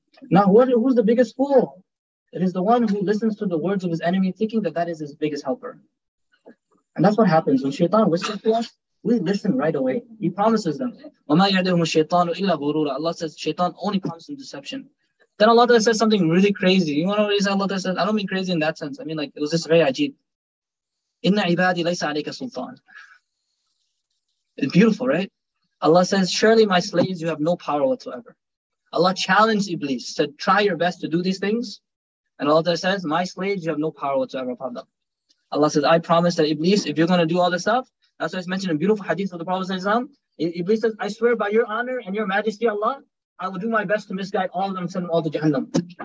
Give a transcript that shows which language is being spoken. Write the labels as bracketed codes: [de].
[en] Now, who's the biggest fool? It is the one who listens to the words of his enemy, thinking that that is his biggest helper. And that's what happens when shaitan whispers to us. We listen right away. He promises them. [ar] وَمَا يَعْدِهُمُ الشَّيْطَانُ إِلَّا غُرُورًا [en] Allah says, shaitan only promises them deception. Then Allah says something really crazy. You want to know what Allah says? I don't mean crazy in that sense. I mean like, it was just very ajeeb. [ar] إِنَّ عِبَادِي لَيْسَ عَلَيْكَ سُلْطَانٌ [en] It's beautiful, right? Allah says, surely my slaves, you have no power whatsoever. Allah challenged Iblis, said, try your best to do these things. And Allah says, my slaves, you have no power whatsoever upon them. Allah says, I promise that Iblis, if you're going to do all this stuff, that's why it's mentioned in a beautiful hadith of the Prophet Iblis says, I swear by your honor and your majesty, Allah, I will do my best to misguide all of them and send them all to Jahannam.